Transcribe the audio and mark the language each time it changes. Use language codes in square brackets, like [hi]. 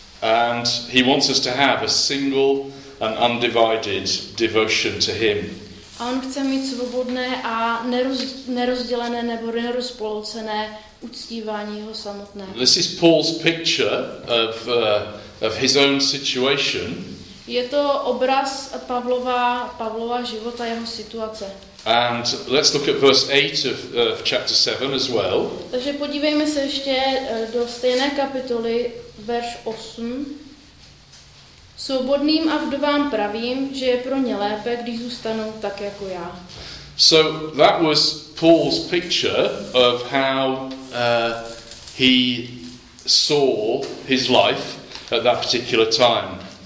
[en] And he wants us to have a single and undivided devotion to him. [cs] A on chce mít svobodné a nerozdělené nebo nerozpolcené uctívání jeho samotné. [en] This is Paul's picture of his own situation. [cs] Je to obraz Pavlova života, jeho situace. [en] And let's look at verse 8 of chapter 7 as well. [cs] Takže podívejme se ještě do stejné kapitoly, verš 8. Svobodným a vdovám pravím, že je pro ně lépe, když zůstanou tak jako já. [en] So that was Paul's picture of how he saw his life at that particular time.